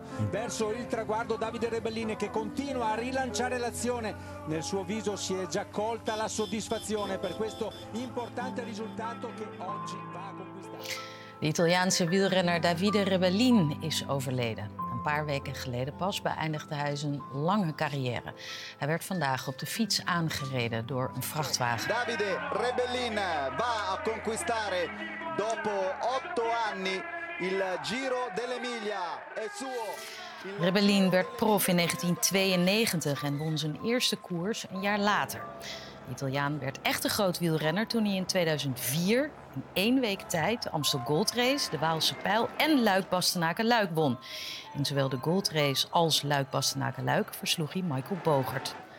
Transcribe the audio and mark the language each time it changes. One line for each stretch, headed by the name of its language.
Italian: Verso il traguardo Davide Rebellin che continua a rilanciare l'azione. Nel suo viso si è già colta la soddisfazione per questo importante risultato che oggi va a conquistare.
Dutch: De Italiaanse wielrenner Davide Rebellin is overleden. Een paar weken geleden pas beëindigde hij zijn lange carrière. Hij werd vandaag op de fiets aangereden door een vrachtwagen.
Italian: Davide Rebellin va a conquistare dopo 8 anni il Giro dell'Emilia. È suo.
Dutch: Rebellin werd prof in 1992 en won zijn eerste koers een jaar later. De Italiaan werd echt een groot wielrenner toen hij in 2004... in 1 week tijd Amstel Gold Race, de Waalse Pijl en Luik-Bastenaken-Luik won. In zowel de Gold Race als Luik-Bastenaken-Luik versloeg hij Michael Bogert.